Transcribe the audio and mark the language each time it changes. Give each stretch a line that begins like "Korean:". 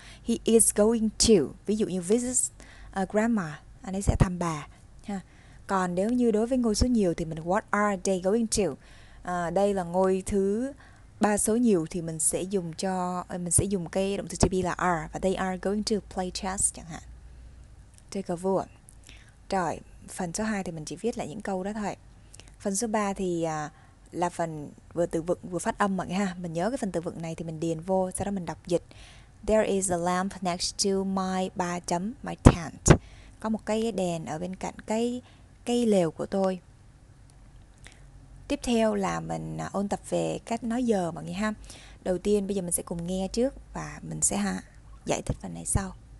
English: He is going to.
Vietnamese: Ví dụ như
English: visit grandma.
Vietnamese: Anh ấy sẽ thăm bà. Ha. Còn nếu như đối với ngôi số nhiều thì mình
English: what are they going to?
Vietnamese: Đây là ngôi thứ ba số nhiều thì mình sẽ dùng cái động từ to be là are.
English: Và they are going to play chess
Vietnamese: chẳng hạn. Chơi cờ vua. Rồi. Phần số 2 thì mình chỉ viết lại những câu đó thôi. Phần số 3 thì là phần vừa từ vựng vừa phát âm mọi người ha. Mình nhớ cái phần từ vựng này thì mình điền vô, sau đó mình đọc dịch.
English: There is a lamp next to my
Vietnamese: ba chấm
English: my tent.
Vietnamese: Có một cái đèn ở bên cạnh cái lều của tôi. Tiếp theo là mình ôn tập về cách nói giờ mọi người ha. Đầu tiên bây giờ mình sẽ cùng nghe trước và mình sẽ giải thích phần này sau.